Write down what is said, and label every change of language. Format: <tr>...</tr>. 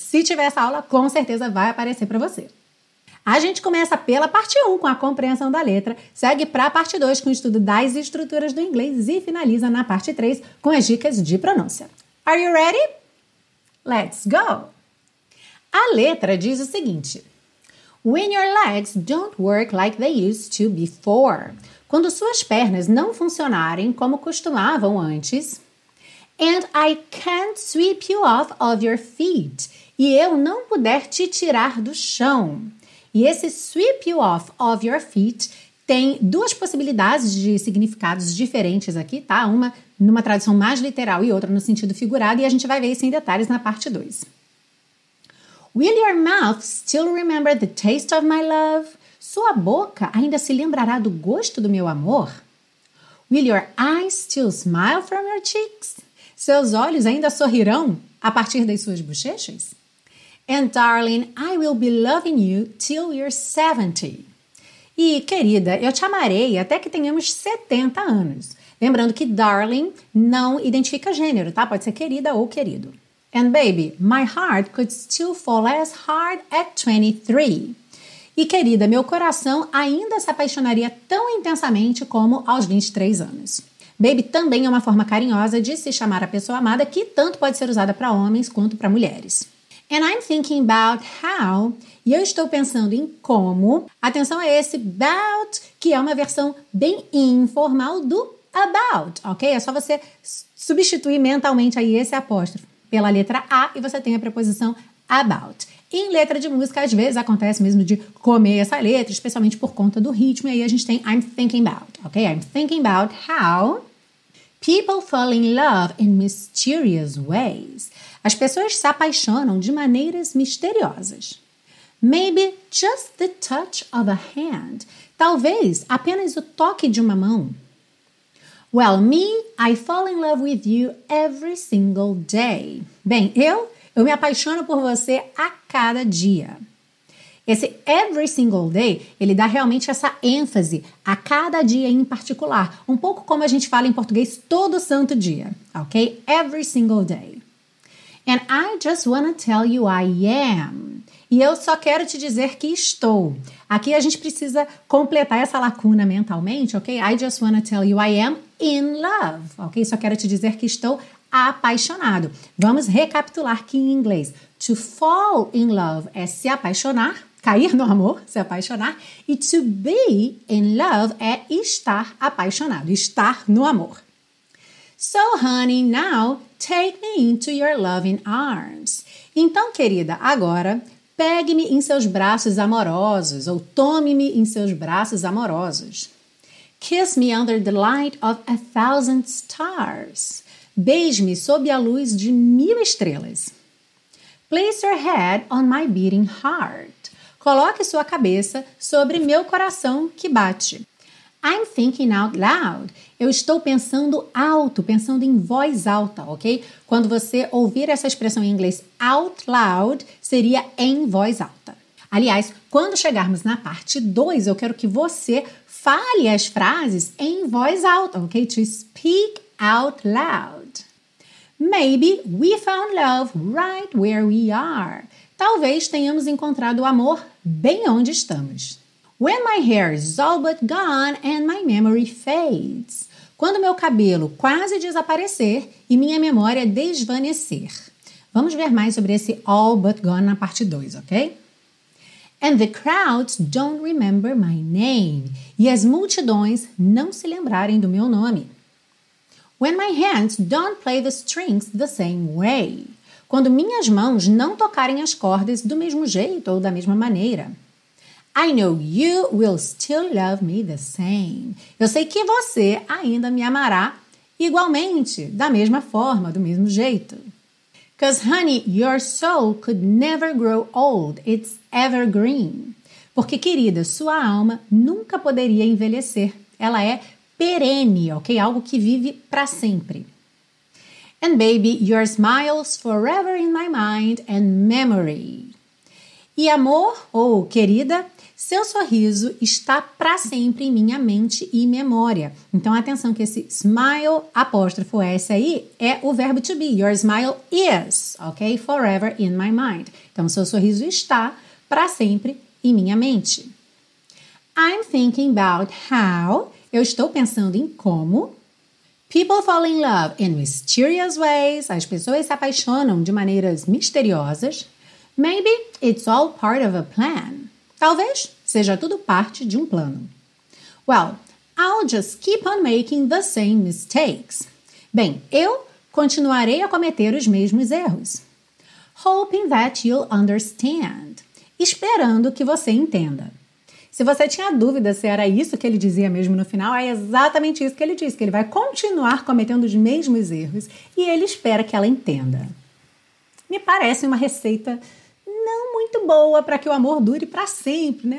<pt>Se tiver essa aula, com certeza vai aparecer para você. A gente começa pela parte 1, com a compreensão da letra, segue para a parte 2, com o estudo das estruturas do inglês, e finaliza na parte 3, com as dicas de pronúncia.</pt> <en>Are you ready? Let's go!</en> <pt>A letra diz o seguinte:</pt> <en>When your legs don't work like they used to before.</en> <pt>Quando suas pernas não funcionarem como costumavam antes.</pt> <en>And I can't sweep you off of your feet.</en> <pt>E eu não puder te tirar do chão. E esse</pt> <en>sweep you off of your feet</en> <pt>tem duas possibilidades de significados diferentes aqui, tá? Uma numa tradução mais literal e outra no sentido figurado, e a gente vai ver isso em detalhes na parte 2.</pt> <en>Will your mouth still remember the taste of my love?</en> <pt>Sua boca ainda se lembrará do gosto do meu amor?</pt> <en>Will your eyes still smile from your cheeks?</en> <pt>Seus olhos ainda sorrirão a partir das suas bochechas?</pt> <en>And darling, I will be loving you till you're 70.</en> <pt>E querida, eu te amarei até que tenhamos 70 anos. Lembrando que darling não identifica gênero, tá? Pode ser querida ou querido.</pt> <en>And baby, my heart could still fall as hard at 23.</en> <pt>E querida, meu coração ainda se apaixonaria tão intensamente como aos 23 anos. Baby também é uma forma carinhosa de se chamar a pessoa amada, que tanto pode ser usada para homens quanto para mulheres.</pt> <en>And I'm thinking about how,</en> <pt>e eu estou pensando em como, atenção a esse about, que é uma versão bem informal do about, ok? É só você substituir mentalmente aí esse apóstrofo pela letra A e você tem a preposição about. Em letra de música, às vezes acontece mesmo de comer essa letra, especialmente por conta do ritmo, e aí a gente tem</pt> <en>I'm thinking about,</en> <pt>ok?</pt> <en>I'm thinking about how people fall in love in mysterious ways.</en> <pt>As pessoas se apaixonam de maneiras misteriosas.</pt> <en>Maybe just the touch of a hand.</en> <pt>Talvez apenas o toque de uma mão.</pt> <en>Well, me, I fall in love with you every single day.</en> <pt>Bem, eu me apaixono por você a cada dia. Esse</pt> <en>every single day,</en> <pt>ele dá realmente essa ênfase a cada dia em particular. Um pouco como a gente fala em português todo santo dia, ok?</pt> <en>Every single day. And I just wanna tell you I am.</en> <pt>E eu só quero te dizer que estou. Aqui a gente precisa completar essa lacuna mentalmente, ok?</pt> <en>I just wanna tell you I am in love,</en> <pt>ok? Só quero te dizer que estou apaixonado. Vamos recapitular aqui em inglês.</pt> <en>To fall in love</en> <pt>é se apaixonar, cair no amor, se apaixonar. E</pt> <en>to be in love</en> <pt>é estar apaixonado, estar no amor.</pt> <en>So, honey, now take me into your loving arms.</en> <pt>Então, querida, agora pegue-me em seus braços amorosos ou tome-me em seus braços amorosos.</pt> <en>Kiss me under the light of 1,000 stars.</en> <pt>Beije-me sob a luz de 1,000 estrelas.</pt> <en>Place your head on my beating heart.</en> <pt>Coloque sua cabeça sobre meu coração que bate.</pt> <en>I'm thinking out loud.</en> <pt>Eu estou pensando alto, pensando em voz alta, ok? Quando você ouvir essa expressão em inglês, out loud, seria em voz alta. Aliás, quando chegarmos na parte 2, eu quero que você fale as frases em voz alta, ok?</pt> <en>To speak out loud. Maybe we found love right where we are.</en> <pt>Talvez tenhamos encontrado o amor bem onde estamos.</pt> <en>When my hair is all but gone and my memory fades.</en> <pt>Quando meu cabelo quase desaparecer e minha memória desvanecer. Vamos ver mais sobre esse</pt> <en>all but gone</en> <pt>na parte 2, ok?</pt> <en>And the crowds don't remember my name.</en> <pt>E as multidões não se lembrarem do meu nome.</pt> <en>When my hands don't play the strings the same way.</en> <pt>Quando minhas mãos não tocarem as cordas do mesmo jeito ou da mesma maneira.</pt> <en>I know you will still love me the same.</en> <pt>Eu sei que você ainda me amará igualmente, da mesma forma, do mesmo jeito.</pt> <en>Because, honey, your soul could never grow old. It's evergreen.</en> <pt>Porque, querida, sua alma nunca poderia envelhecer. Ela é perene, ok? Algo que vive para sempre.</pt> <en>And, baby, your smile's forever in my mind and memory.</en> <pt>E, amor, ou querida, seu sorriso está para sempre em minha mente e memória. Então, atenção que esse smile, apóstrofo S aí, é o verbo to be.</pt> <en>Your smile is,</en> <pt>ok?</pt> <en>Forever in my mind.</en> <pt>Então, seu sorriso está para sempre em minha mente.</pt> <en>I'm thinking about how,</en> <pt>eu estou pensando em como,</pt> <en>people fall in love in mysterious ways,</en> <pt>as pessoas se apaixonam de maneiras misteriosas.</pt> <en>Maybe it's all part of a plan.</en> <pt>Talvez seja tudo parte de um plano.</pt> <en>Well, I'll just keep on making the same mistakes.</en> <pt>Bem, eu continuarei a cometer os mesmos erros.</pt> <en>Hoping that you'll understand.</en> <pt>Esperando que você entenda. Se você tinha dúvida se era isso que ele dizia mesmo no final, é exatamente isso que ele diz, que ele vai continuar cometendo os mesmos erros e ele espera que ela entenda. Me parece uma receita muito boa para que o amor dure para sempre, né?</pt>